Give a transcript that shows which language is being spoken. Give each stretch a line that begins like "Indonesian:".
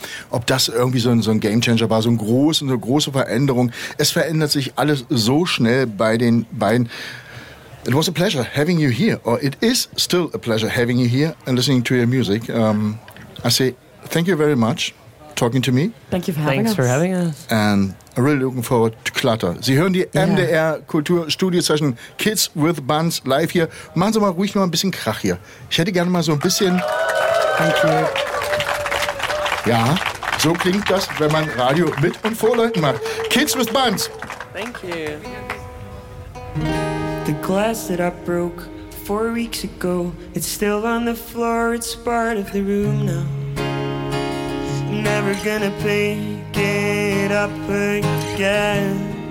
German: Ob das irgendwie so ein Gamechanger war, so eine große Veränderung. Es verändert sich alles so schnell bei den beiden.
English: It was a pleasure having you here. Or it is still a pleasure having you here and listening to your music. I say... Thank you very much for talking to me. Thank you for having Thanks us. Thanks for having us. And I'm really looking forward to Clutter.
German: Sie hören die MDR Kultur Studio Session Kids with Buns live hier. Machen Sie mal ruhig mal ein bisschen Krach hier. Ich hätte gerne mal so ein bisschen...
English: Thank you.
German: Ja, so klingt das, wenn man Radio mit und vor Leuten macht.
English: Kids with Buns. Thank you. The glass that I broke 4 weeks ago, it's still on the floor, it's part of the room now. Never gonna pick it up again.